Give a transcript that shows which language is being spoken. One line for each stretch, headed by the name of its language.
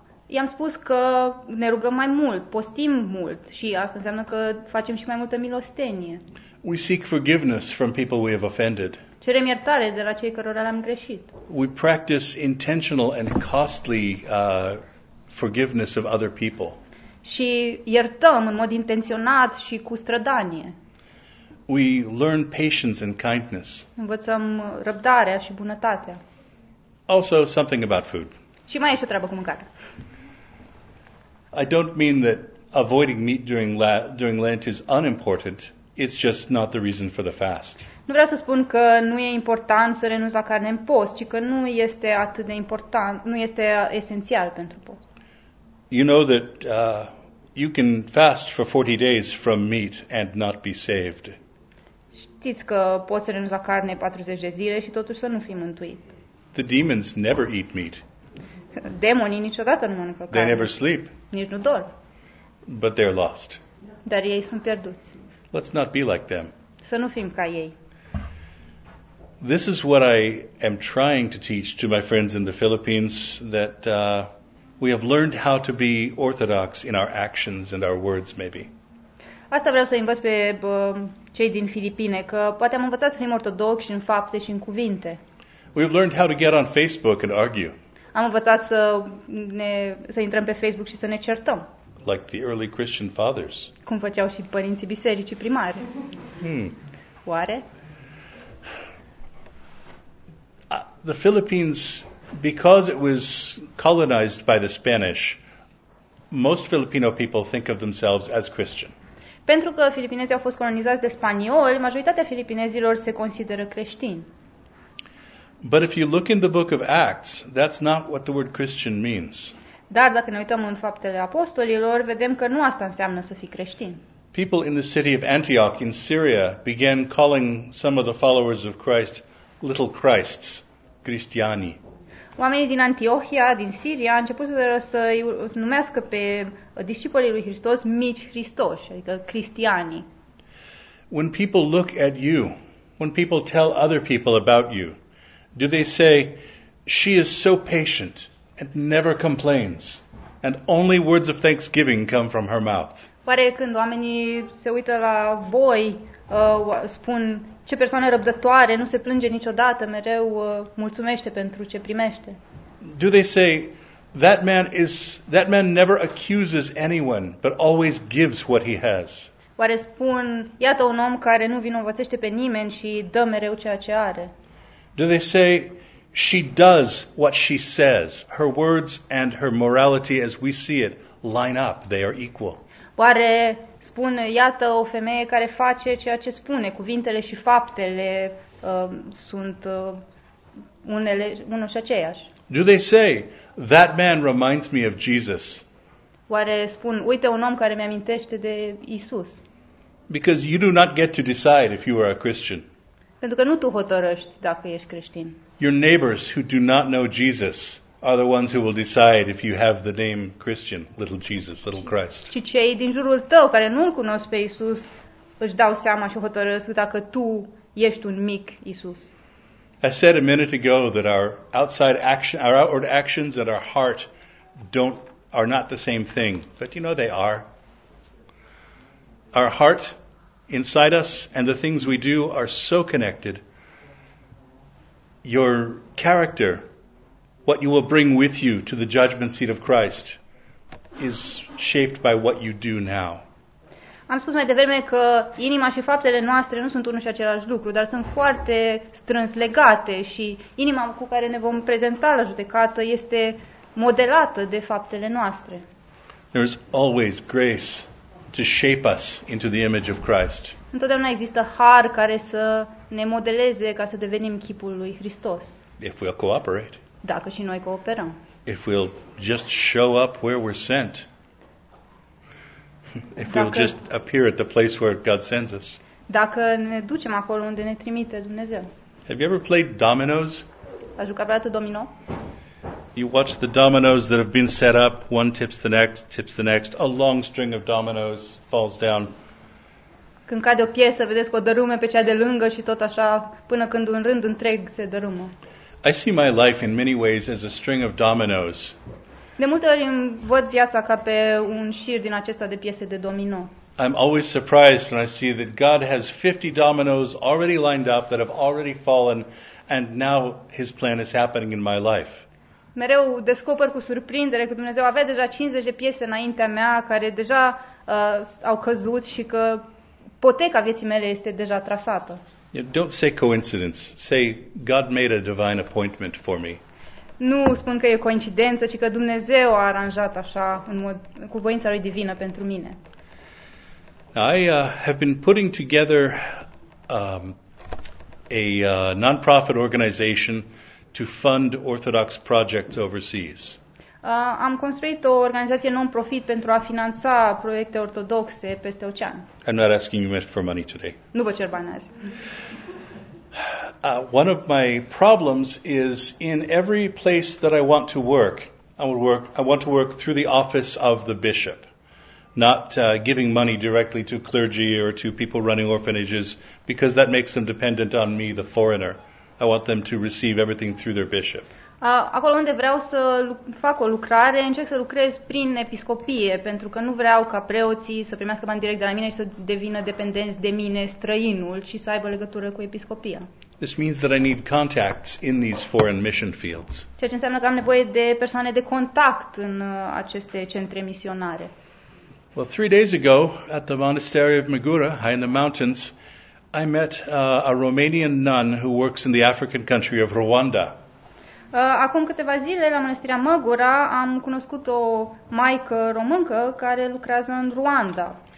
Romanian: I-am spus că ne rugăm mai mult, postim mult și asta înseamnă că facem și mai multă milostenie.
English: We seek forgiveness from people we have offended.
Romanian: Cerem iertare de la cei cărora le-am greșit.
English: We practice intentional and costly forgiveness of other people.
Romanian: Și iertăm în mod intenționat și cu strădanie.
English: We learn patience and kindness.
Romanian: Învățăm răbdarea și bunătatea.
English: Also something about food.
Romanian: Și mai e și o treabă cu mâncarea.
English: I don't mean that avoiding meat during Lent is unimportant. It's just not the reason for the fast.
Romanian: Nu vreau să spun că nu e important să renunți la carne în post, ci că nu este atât de important, nu este esențial pentru post.
English: You know that you can fast for 40 days from meat and not be saved.
Romanian: Știți că poți să renunți la carne 40 de zile și totuși să nu fii mântuit.
English: The demons never eat meat.
Romanian: Demonii niciodată nu mănâncă carne.
English: They never sleep.
Romanian: Nici nu dorm.
English: But they're lost.
Romanian: Dar ei sunt pierduți.
English: Let's not be like them.
Romanian: Să nu fim ca ei.
English: This is what I am trying to teach to my friends in the Philippines, that we have learned how to be orthodox in our actions and our words, maybe.
Romanian: Asta vreau să învăț pe cei din Filipine, că poate am învățat să fim ortodoxi în fapte și în cuvinte.
English: We have learned how to get on Facebook and argue.
Romanian: Am învățat să intrăm pe Facebook și să ne certăm.
English: Like the early Christian fathers.
Romanian: Cum făceau și părinții bisericii primare. Oare?
English: The Philippines, because it was colonized by the Spanish, most Filipino people think of themselves as Christian.
Romanian: Pentru că filipinezii au fost colonizați de spanioli, majoritatea filipinezilor se consideră creștini.
English: But if you look in the book of Acts, that's not what the word Christian means.
Romanian: Dar dacă ne uităm în Faptele Apostolilor, vedem că nu asta înseamnă să fii creștin.
English: People in the city of Antioch in Syria began calling some of the followers of Christ little Christs, cristiani.
Romanian: Oamenii din Antiohia, din Siria, au început să numească pe discipolii lui Hristos mici Hristoși, adică cristiani.
English: When people look at you, when people tell other people about you, do they say, she is so patient and never complains, and only words of thanksgiving come from her mouth?
Romanian: Pare când oamenii se uită la voi, spun, ce persoană răbdătoare, nu se plânge niciodată, mereu mulțumește pentru ce primește.
English: Do they say, that man never accuses anyone, but always gives what he has?
Romanian: Oare spun, iată un om care nu vinovățește pe nimeni și dă mereu ceea ce are?
English: Do they say, she does what she says, her words and her morality as we see it line up, they are equal?
Romanian: Oare spun, iată o femeie care face ceea ce spune, cuvintele și faptele sunt unul și aceeași?
English: Do they say, that man reminds me of Jesus?
Romanian: Oare spun, uite un om care mi-amintește de Isus?
English: Because you do not get to decide if you are a Christian.
Romanian: Pentru că nu tu hotărăști dacă ești creștin.
English: Your neighbors who do not know Jesus are the ones who will decide if you have the name Christian, little Jesus, little Christ.
Romanian: Și cei din jurul tău care nu-L cunosc pe Iisus își dau seama și hotărăsc dacă tu ești un mic Iisus.
English: I said a minute ago that our outside action, our outward actions and our heart are not the same thing. But you know they are. Our heart inside us and the things we do are so connected. Your character, what you will bring with you to the judgment seat of Christ, is shaped by what you do now.
Romanian: Am spus mai devreme că inima și faptele noastre nu sunt unul și același lucru, dar sunt foarte strâns legate și inima cu care ne vom prezenta la judecată este modelată de faptele noastre.
English: There is always grace to shape us into the image of Christ.
Romanian: Întotdeauna există har care să ne modeleze ca să devenim chipul lui Hristos.
English: If we'll cooperate.
Romanian: Dacă și noi cooperăm.
English: If we'll just show up where we're sent. If we'll just appear at the place where God sends us.
Romanian: Dacă ne ducem acolo unde ne trimite Dumnezeu.
English: Have you ever played dominoes?
Romanian: A jucat vreodată domino?
English: You watch the dominoes that have been set up, one tips the next, a long string of dominoes falls down.
Romanian: Când cade o piesă, vedeți că o dărâme pe cea de lângă și tot așa, până când un rând întreg se dărâmă.
English: I see my life in many ways as a string of dominoes.
Romanian: De multe ori îmi văd viața ca pe un șir din acesta de piese de domino.
English: I'm always surprised when I see that God has 50 dominoes already lined up that have already fallen and now His plan is happening in my life.
Romanian: Mereu descoper cu surprindere că Dumnezeu avea deja 50 de piese înaintea mea care deja au căzut și că poteca vieții mele este deja trasată.
English: Don't say coincidence. Say God made a divine appointment for me.
Romanian: nu spun că e coincidență, ci că Dumnezeu a aranjat așa în mod cu voința lui divină pentru mine.
English: I have been putting together a non-profit organization to fund Orthodox projects overseas.
Romanian: Am construit o organizație non-profit pentru a finanța proiecte ortodoxe peste ocean.
English: I'm not asking you for money today.
Romanian: Nu vă cer bani azi.
English: One of my problems is in every place that I want to work, I want to work through the office of the bishop, not giving money directly to clergy or to people running orphanages, because that makes them dependent on me, the foreigner. I want them to receive everything through their bishop.
Romanian: Acolo unde vreau să fac o lucrare, încerc să lucrez prin episcopie, pentru că nu vreau ca preoții să primească bani direct de la mine și să devină dependenți de mine străinul, ci să aibă legătură cu episcopia.
English: This means that I need contacts in these foreign mission fields.
Romanian: Ceea ce înseamnă că am nevoie de persoane de contact în aceste centre misionare.
English: Well, 3 days ago, at the monastery of Megura, high in the mountains, I met a Romanian nun who works in the African country of Rwanda.
Romanian: Acum câteva zile la mănăstirea Măgura am cunoscut o maică româncă care lucrează în Rwanda.